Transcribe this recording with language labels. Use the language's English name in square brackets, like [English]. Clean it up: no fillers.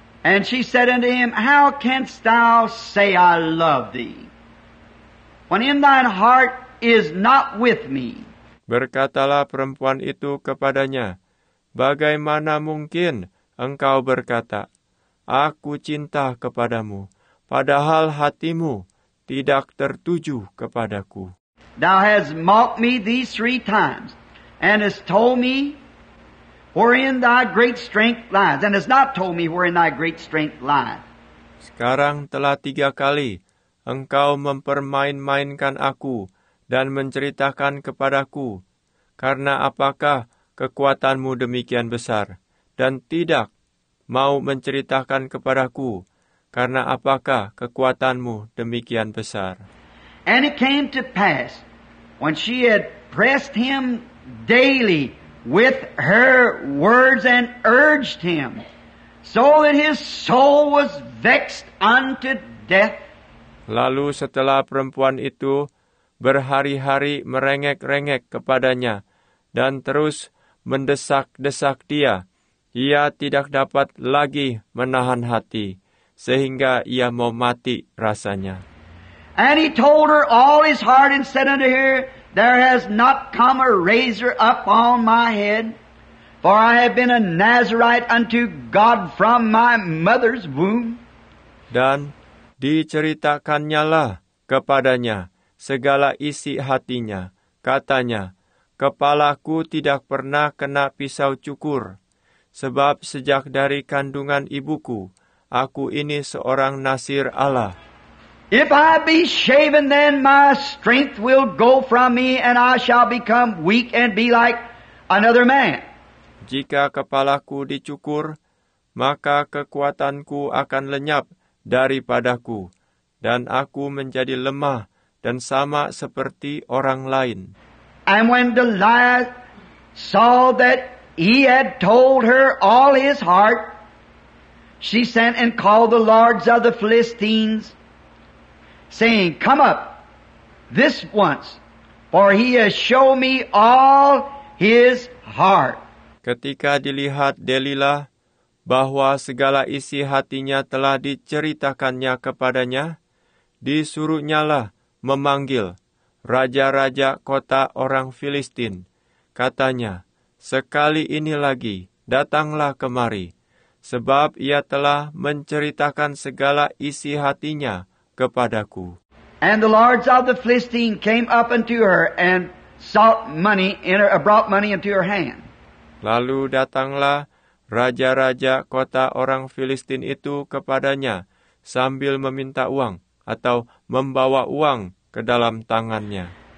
[English] And she said unto him, how canst thou say I love thee, when in thine heart is not with me? [Indonesian] Berkatalah perempuan itu kepadanya, bagaimana mungkin engkau berkata, aku cinta kepadamu, padahal hatimu tidak tertuju kepadaku? [English] Thou hast mocked me these 3 times, and hast told me wherein thy great strength lies, and has not told me wherein thy great strength lies. [Indonesian] Sekarang telah 3 kali engkau mempermain-mainkan aku dan menceritakan kepadaku karena apakah kekuatanmu demikian besar, dan tidak mau menceritakan kepadaku karena apakah kekuatanmu demikian besar. [English] And it came to pass when she had pressed him daily with her words and urged him, so that his soul was vexed unto death. [Indonesian] Lalu setelah perempuan itu berhari-hari merengek-rengek kepadanya dan terus mendesak-desak dia, ia tidak dapat lagi menahan hati, sehingga ia mau mati rasanya. [English] And he told her all his heart and said unto her, there has not come a razor up on my head, for I have been a Nazarite unto God from my mother's womb. [Indonesian] Dan diceritakannyalah kepadanya segala isi hatinya. Katanya, kepalaku tidak pernah kena pisau cukur, sebab sejak dari kandungan ibuku, aku ini seorang nasir Allah. [English] If I be shaven, then my strength will go from me, and I shall become weak and be like another man. [Indonesian] Jika kepalaku dicukur, maka kekuatanku akan lenyap daripadaku, dan aku menjadi lemah dan sama seperti orang lain. [English] And when Delilah saw that he had told her all his heart, she sent and called the lords of the Philistines, saying, come up this once, for he has shown me all his heart. [Indonesian] Ketika dilihat Delilah bahwa segala isi hatinya telah diceritakannya kepadanya, disuruhnyalah memanggil raja-raja kota orang Filistin. Katanya, sekali ini lagi datanglah kemari, sebab ia telah menceritakan segala isi hatinya kepadaku. [English] And the lords of the Philistine came up unto her and sought money in her, brought money into her hand. [Indonesian] Lalu datanglah raja-raja kota orang Filistin itu kepadanya sambil meminta uang atau membawa uang ke dalam tangannya.